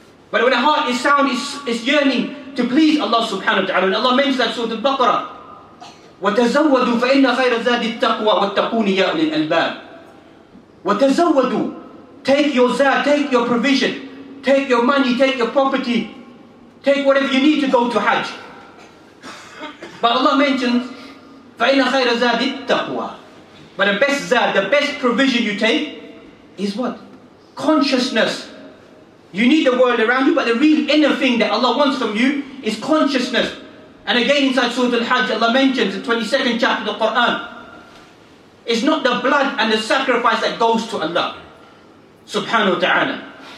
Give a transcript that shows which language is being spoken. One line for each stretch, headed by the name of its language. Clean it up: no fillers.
English: But when the heart is sound, it's yearning to please Allah subhanahu wa ta'ala. And Allah mentions that Surah Al-Baqarah.
Arabic: وَتَزَوَّدُوا فَإِنَّ خَيْرَ زَادِ التَّقْوَى وَاتَّقُونِ يَا أُولِي الْأَلْبَابِ.
English: وَتَزَوَّدُوا, take your zad, take your provision, take your money, take your property, take whatever you need to go to Hajj. But Allah mentions,
Arabic: فَإِنَّ خَيْرَ زَادِ التَّقْوَى.
English: But the best zad, the best provision you take is what? Consciousness. You need the world around you, but the real inner thing that Allah wants from you is consciousness. And again inside Surah Al-Hajj, Allah mentions the 22nd chapter of the Quran. It's not the blood and the sacrifice that goes to Allah subhanahu wa ta'ala.